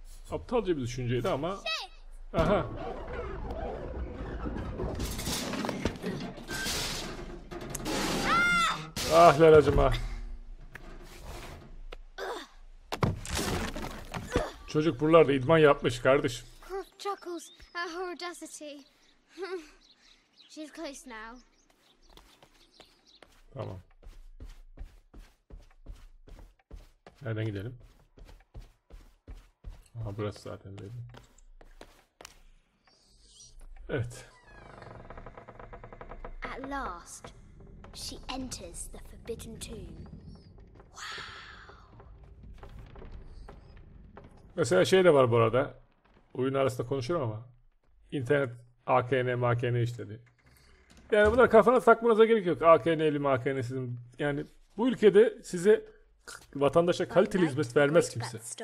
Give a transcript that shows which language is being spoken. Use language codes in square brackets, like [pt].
[tr] Aptalca bir düşünceydi ama... Aha! Ah Lara'cım ah! Çocuk buralarda idman yapmış kardeşim. [en] Croft chuckles at her audacity. She's close now. [tr] Tamam. Nereden gidelim? Aha burası zaten dedim. Evet. [en] At last, she enters the forbidden tomb. Wow. [tr] Mesela şey de var bu arada. Oyun arasında konuşurum ama. İnternet AKN, MAKN işledi. Yani bunlar kafana takmanıza gerek yok. AKN'li, MAKN'sizin. Yani bu ülkede size vatandaşa kaliteli hizmet vermez kimse.